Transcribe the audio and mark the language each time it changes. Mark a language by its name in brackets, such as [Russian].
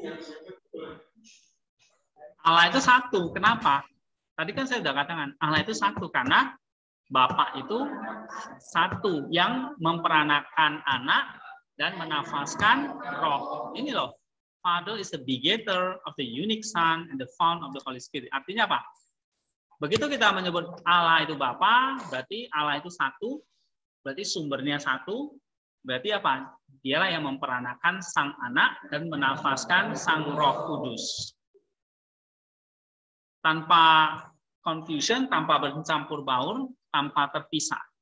[Indonesian] Hah? Allah itu satu. Kenapa? Tadi kan saya sudah katakan Allah itu satu karena Bapa itu satu yang memperanakan anak dan menafaskan roh. Ini loh. [English] Father is the begetter of the unique Son and the fount of the Holy Spirit. [Indonesian] Artinya apa? Begitu kita menyebut Allah itu Bapa, berarti Allah itu satu, berarti sumbernya satu, berarti apa? Dialah yang memperanakan sang anak dan menafaskan sang Roh Kudus. Tanpa confusion, tanpa bercampur baur, tanpa terpisah.